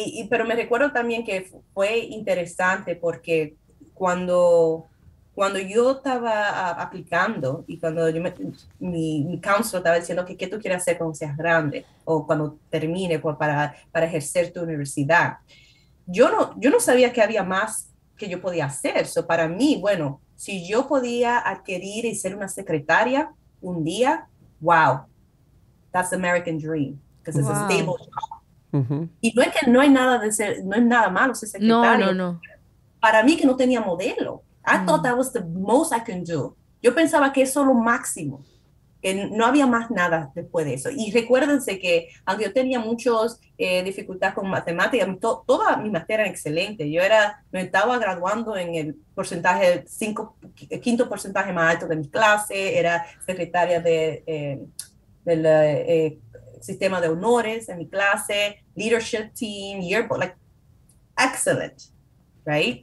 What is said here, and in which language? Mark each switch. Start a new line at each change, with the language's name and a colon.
Spanish: Pero me recuerdo también que fue interesante, porque cuando yo estaba aplicando, y cuando mi counselor estaba diciendo que qué tú quieres hacer cuando seas grande o cuando termine para ejercer tu universidad, Yo no sabía que había más que yo podía hacer. So, para mí, bueno, si yo podía adquirir y ser una secretaria un día, wow,
English: that's American dream, because it's a stable job. Uh-huh.
Spanish: Y no es que no hay nada de ser, no es nada malo ser secretaria. No. Para mí, que no tenía modelo.
English: I thought that was the most I can do.
Spanish: Yo pensaba que eso es lo máximo, que no había más nada después de eso. Y recuérdense que aunque yo tenía muchas dificultades con matemáticas, toda mi materia era excelente. Me estaba graduando en el porcentaje, quinto porcentaje más alto de mi clase, era secretaria del sistema de honores en mi clase,
English: leadership team, yearbook, like, excellent, right?